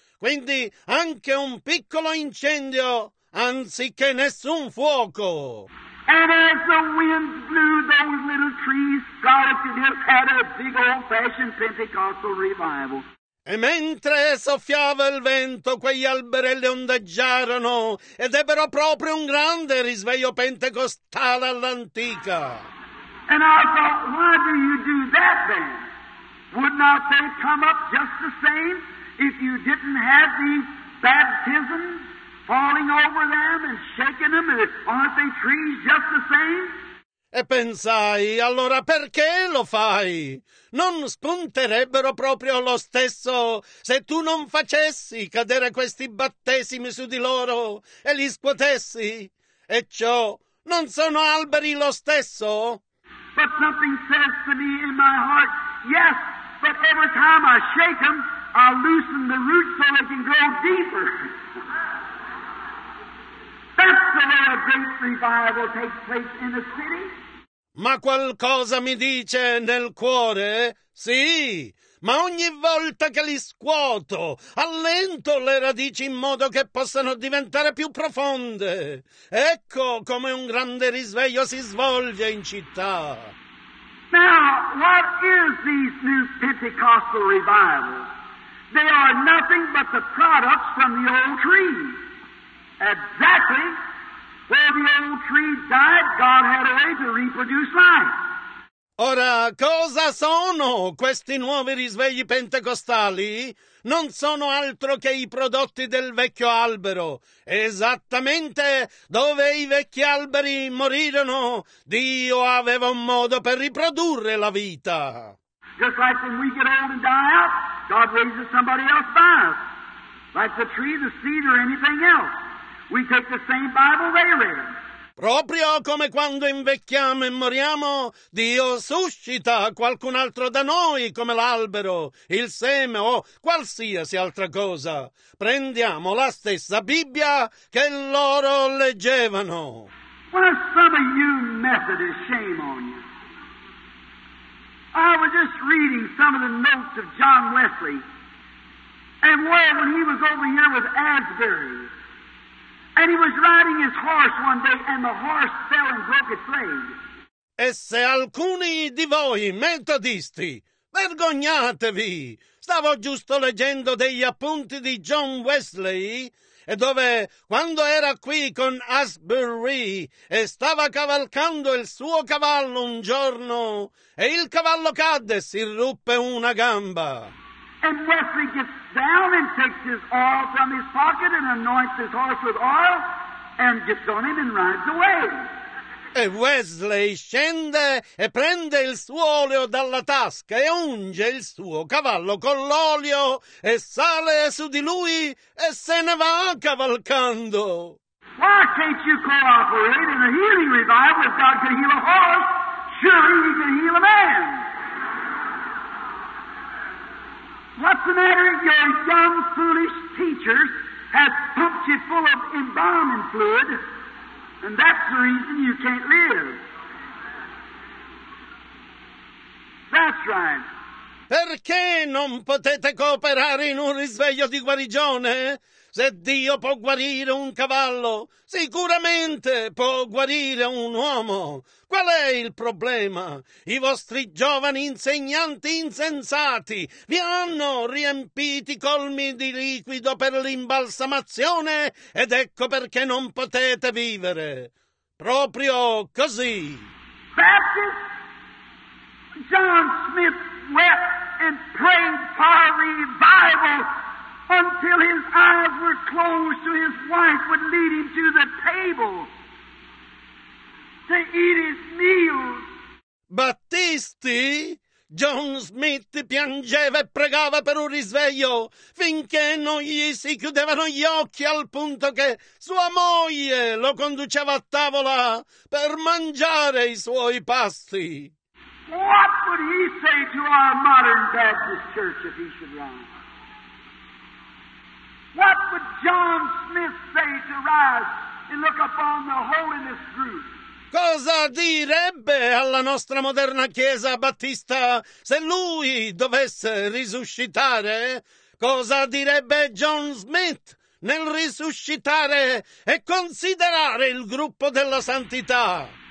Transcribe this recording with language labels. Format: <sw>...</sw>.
<it>Quindi anche un piccolo incendio, anziché nessun fuoco.</it> <en>And as the wind blew those little trees, Scarlett could have had a big old-fashioned Pentecostal revival.</en> <it>E mentre soffiava il vento, quegli alberelli ondeggiarono ed ebbero proprio un grande risveglio pentecostale all'antica.</it> <en>And I thought, why do you do that then? Would not they come up just the same if you didn't have the baptism falling over them and shaking them? And aren't they trees just the same?</en> <it>E pensai, allora perché lo fai? Non spunterebbero proprio lo stesso se tu non facessi cadere questi battesimi su di loro e li scuotessi? E ciò, non sono alberi lo stesso?</it> <en>But something says to me in my heart, yes, but every time I shake them, I loosen the roots so they can grow deeper. That's the way a great revival takes place in a city.</en> <it>Ma qualcosa mi dice nel cuore, sì, ma ogni volta che li scuoto, allento le radici in modo che possano diventare più profonde. Ecco come un grande risveglio si svolge in città.</it> <en>Now, what is these new Pentecostal revivals? They are nothing but the products from the old tree. Exactly. Where the old tree died, God had a way to reproduce life.</en> <it>Ora, cosa sono questi nuovi risvegli pentecostali? Non sono altro che i prodotti del vecchio albero. Esattamente dove i vecchi alberi morirono, Dio aveva un modo per riprodurre la vita.</it> <en>Just like when we get old and die out, God raises somebody else by us. Like the tree, the seed, or anything else. We take the same Bible they read.</en> <it>Proprio come quando invecchiamo e moriamo, Dio suscita qualcun altro da noi, come l'albero, il seme o qualsiasi altra cosa. Prendiamo la stessa Bibbia che loro leggevano.</it> <en>Well, some of you Methodists, shame on you. I was just reading some of the notes of John Wesley. And when he was over here with Asbury, and he was riding his horse one day, and the horse fell and broke its leg.</en> <it>E se alcuni di voi, metodisti, vergognatevi! Stavo giusto leggendo degli appunti di John Wesley, e dove, quando era qui con Asbury, e stava cavalcando il suo cavallo un giorno, e il cavallo cadde e si ruppe una gamba.</it> <en>And Wesley gets down and takes his oil from his pocket and anoints his horse with oil and gets on him and rides away.</en> <it>E Wesley scende e prende il suo olio dalla tasca e unge il suo cavallo con l'olio e sale su di lui e se ne va cavalcando.</it> <en>Why can't you cooperate in a healing revival? If God can heal a horse, surely he can heal a man. What's the matter? Your young, foolish teachers have pumped you full of embalming fluid, and that's the reason you can't live. That's right.</en> <it>Perché non potete cooperare in un risveglio di guarigione? Se Dio può guarire un cavallo, sicuramente può guarire un uomo. Qual è il problema? I vostri giovani insegnanti insensati vi hanno riempiti colmi di liquido per l'imbalsamazione ed ecco perché non potete vivere. Proprio così.</it> <en>Baptist John Smith wept and prayed for revival until his eyes were closed so his wife would lead him to the table to eat his meals.</en> <it>Battisti? John Smith piangeva e pregava per un risveglio finché non gli si chiudevano gli occhi al punto che sua moglie lo conduceva a tavola per mangiare i suoi pasti.</it> <en>What would he say to our modern Baptist church if he should rise? What would John Smith say to rise and look upon the holiness group?</en> <it>Cosa direbbe alla nostra moderna chiesa battista se lui dovesse risuscitare? Cosa direbbe John Smith nel risuscitare e considerare il gruppo della santità?</it>